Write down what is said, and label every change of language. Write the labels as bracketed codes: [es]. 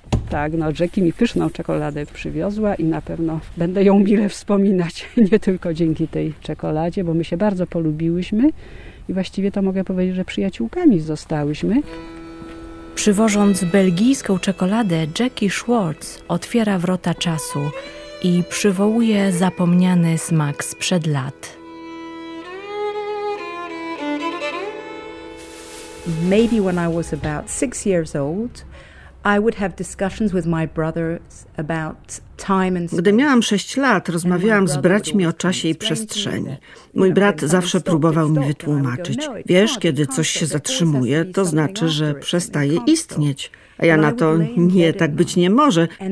[pl] Tak, no Jackie mi pyszną czekoladę przywiozła i na pewno będę ją mile wspominać, nie tylko dzięki tej czekoladzie, bo my się bardzo polubiłyśmy i właściwie to mogę powiedzieć, że przyjaciółkami zostałyśmy. Przywożąc belgijską czekoladę, Jackie Schwartz otwiera wrota czasu i przywołuje zapomniany smak sprzed lat. [en] Maybe when I was about 6 years old, I would have discussions with my brothers about time and space. [pl] Gdy miałam 6 lat, rozmawiałam z braćmi o czasie i przestrzeni. Mój brat zawsze próbował mi wytłumaczyć. Wiesz, kiedy coś się zatrzymuje, to znaczy, że przestaje istnieć. A ja na to, nie, tak być nie może.